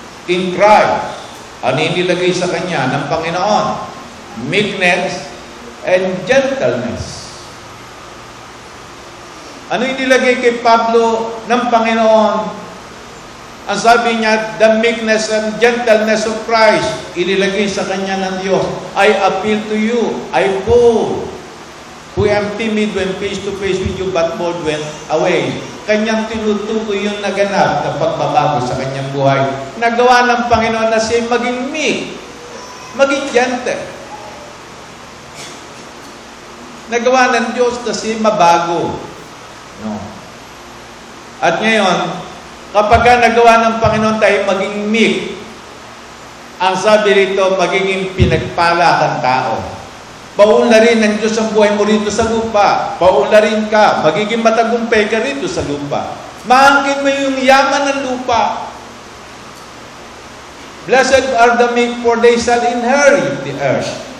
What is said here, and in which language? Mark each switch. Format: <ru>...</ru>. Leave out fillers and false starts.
<en>In Christ,</en> <tl>ang inilagay sa kanya ng Panginoon,</tl> <en>meekness and gentleness.</en> <tl>Ano inilagay kay Pablo ng Panginoon? Ang sabi niya,</tl> <en>the meekness and gentleness of Christ,</en> <tl>inilagay sa kanya ng Diyos.</tl> <en>I appeal to you, I bold, who am timid when face to face with you, but bold when away.</en> <tl>Kanyang tinutuko yung naganap na pagbabago sa kanyang buhay. Nagawa ng Panginoon na siya maging meek, maging gentle. Nagawa ng Diyos na siya mabago. No. At ngayon, kapag nagawa ng Panginoon tayo maging meek, ang sabi rito, magiging pinagpala kang tao. Paula rin ng Diyos ang buhay mo rito sa lupa. Paula rin ka, magiging matagumpay ka rito sa lupa. Maangkin mo yung yaman ng lupa.</tl> <en>Blessed are the meek, for they shall inherit the earth.</en>